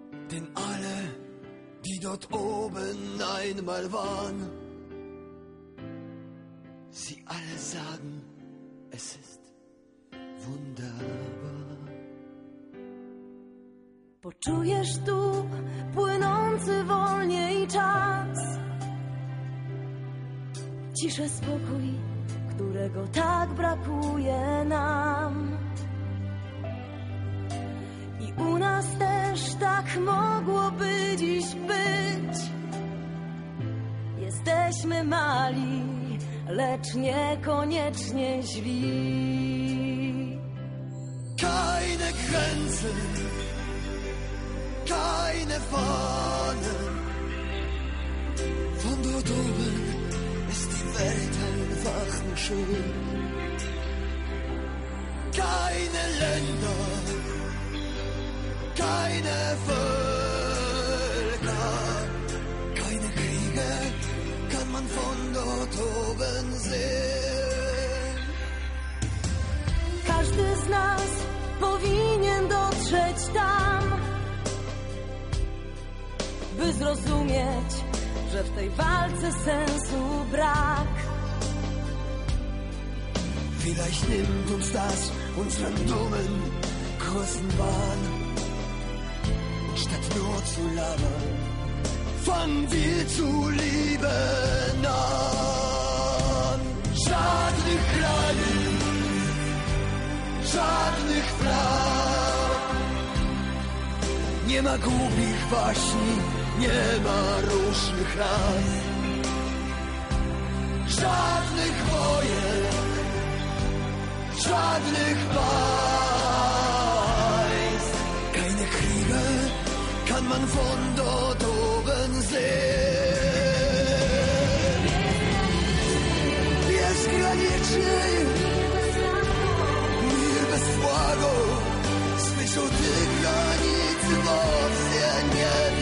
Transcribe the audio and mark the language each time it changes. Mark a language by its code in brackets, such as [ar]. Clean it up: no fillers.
[de] Denn alle, die dort oben einmal waren, sie alle sagen, es ist wunderbar. [pl] Poczujesz tu płynący wolniej czas, ciszę, spokój, którego tak brakuje nam. I u nas też tak mogłoby dziś być. Jesteśmy mali, lecz niekoniecznie źli. [de] Keine Grenze, keine Fahne. Von dort oben ist die Welt einfach nur schön. Keine Länder, keine Völker, keine Kriege kann man von dort oben sehen. [pl] Każdy z nas powinien dotrzeć tam, by zrozumieć, że w tej walce sensu brak. [de] Vielleicht nimmt uns das unseren dummen, großen Wahn. Statt nur zu labern, fangen wir zu lieben an. [pl] Żadnych krajów, żadnych praw. Nie ma głupich baśni, nie ma różnych ran. Żadnych wojen, żadnych państw. [de] Keine Kriege kann man von dort oben sehen. [pl] Bezgranicznie, mir bez błago, spyszą tych granic mocnie nie.